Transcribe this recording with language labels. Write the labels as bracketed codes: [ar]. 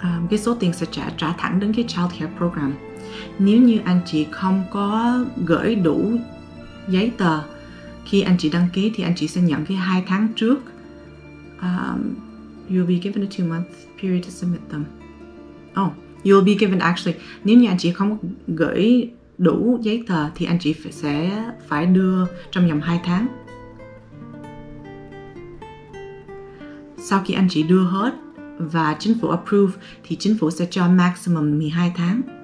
[vi] Cái số tiền sẽ trả thẳng đến cái Child Care Program. Nếu như anh chị không có gửi đủ giấy tờ khi anh chị đăng ký thì anh chị sẽ nhận cái 2 tháng trước. [en] You'll be given a 2-month period to submit them. Oh, you'll be given, actually, [vi] nếu như anh chị không gửi đủ giấy tờ thì anh chị sẽ phải đưa trong vòng 2 tháng. Sau khi anh chị đưa hết và chính phủ approve thì chính phủ sẽ cho maximum 12 tháng.